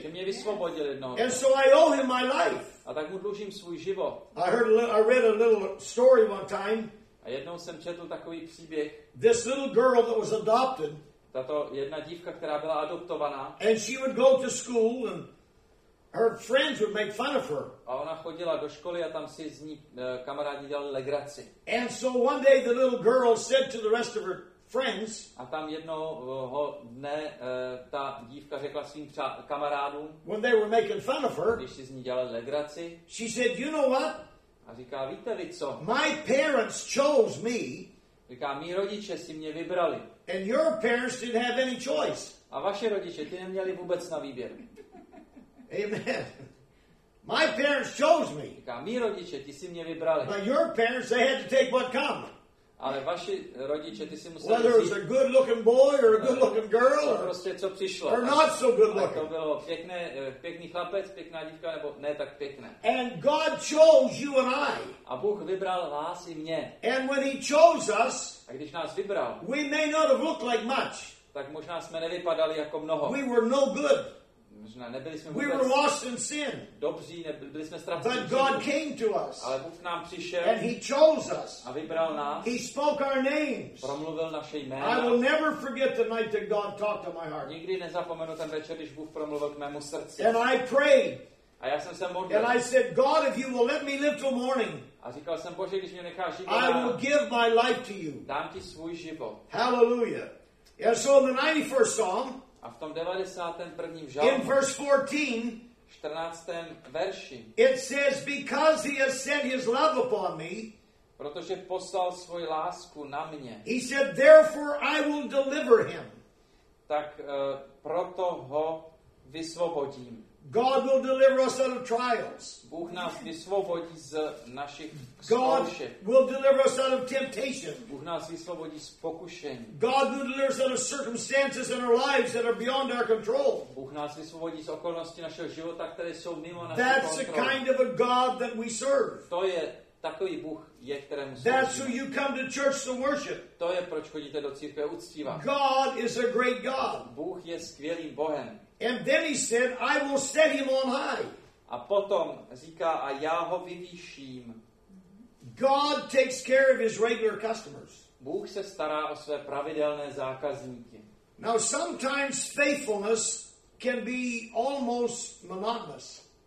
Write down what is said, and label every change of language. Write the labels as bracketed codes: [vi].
[cs] Že mě vysvobodil jednoho dne. [en] And so I owe him my life. [cs] A tak mu dlužím svůj život. [en] I read a little story one time. [cs] A jednou jsem četl takový příběh. [en] This little girl that was adopted. [cs] Tato jedna dívka, která byla adoptovaná. [en] And she would go to school and her friends would make fun of her. [cs] A ona chodila do školy a tam si z ní kamarádi dělali legraci. [en] And so one day the little girl said to the rest of her friends. [cs] A tam jednoho dne ta dívka řekla svým kamarádům. [en] When they were making fun of her. [cs] Když si z ní dělali legraci. [en] She said, "You know what?" [cs] A říká, víte vy co? [en] My parents chose me. [cs] Říká, mí rodiče si mě vybrali. [en] And your parents didn't have any choice. [cs] A vaše rodiče, ty neměli vůbec na výběr. [en] Amen. My parents chose me. [cs] Říká, mí rodiče, ty si mě vybrali. [en] But your parents, they had to take what come. [cs] Ale vaši rodiče, ty si museli [en] whether it's a good looking boy or a good looking girl [cs] or prostě co přišlo. [en] Or not so good looking. [cs] To bylo pěkný chlapec, pěkná dívka nebo ne tak pěkné. [en] And God chose you and I. [cs] A Bůh vybral vás i mě. [en] And when he chose us, [cs] a když nás vybral, [en] we may not have looked like much. [cs] Tak možná jsme nevypadali jako mnoho. [en] We were no good. [cs] Možná nebyli jsme [en] vůbec. We were lost in sin. [cs] Dobří, byli jsme ztraceni. [en] But God came to us. [cs] Ale Bůh k nám přišel. [en] And he chose us. [cs] A vybral nás. [en] He spoke our names. [cs] Promluvil naše jména. [en] I will never forget the night that God talked to my heart. [cs] Nikdy nezapomenu ten večer, když Bůh promluvil k mému srdci. [en] And I prayed. [cs] A já jsem se modlil. [en] And I said, God, if you will let me live till morning. [cs] A říkal jsem, Bože, když mě necháš žít, [en] I will give my life to you. [cs] Dám ti svůj život. [en] Hallelujah. And so in the 91st Psalm. [cs] A v tom 91. žalmu, [en] in verse 14, [cs] 14. verši, [en] it says, because he has set his love upon me, [cs] protože poslal svoji lásku na mě, [en] he said, therefore I will deliver him. [cs] Tak proto ho vysvobodím. [en] God will deliver us out of trials. [cs] Bůh nás vysvobodí z našich [en] zkoušek. God will deliver us out of temptation. [cs] Bůh nás vysvobodí z pokušení. [en] God will deliver us out of circumstances in our lives that are beyond our control. [cs] Bůh nás vysvobodí z okolností našeho života, které jsou mimo naši kontrolu. [en] That's the kind of a God that we serve. [cs] To je takový Bůh, je, kterému sloužíme. [en] That's who you come to church to worship. [cs] To je, proč chodíte do církve uctívat. [en] God is a great God. [cs] Bůh je skvělým Bohem. [en] And then he said, I will set him on high. [cs] A potom říká, a já ho vyvýším. [en] God takes care of his regular customers. [cs] Bůh se stará o své pravidelné zákazníky. [en] Now sometimes faithfulness can be almost monotonous.